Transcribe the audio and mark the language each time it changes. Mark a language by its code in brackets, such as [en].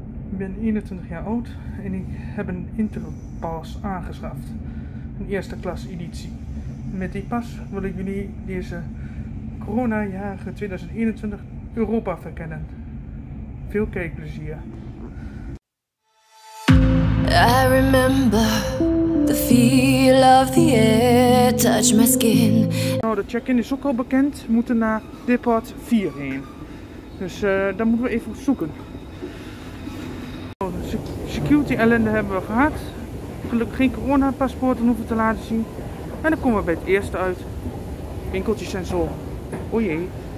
[nl] Ik ben 21 jaar oud. En ik heb een Interpass aangeschaft. Een eerste klas editie. Met die pas wil ik jullie deze corona-jarige 2021 Europa verkennen. Veel kijkplezier. [en] I remember the feel of the air touch my skin. [nl] Nou, de check-in is ook al bekend. We moeten naar depot 4 heen. Dus daar moeten we even zoeken. Nou, security ellende hebben we gehad. Gelukkig geen corona-paspoorten hoeven te laten zien. En dan komen we bij het eerste uit. Winkeltjes en zo. O jee.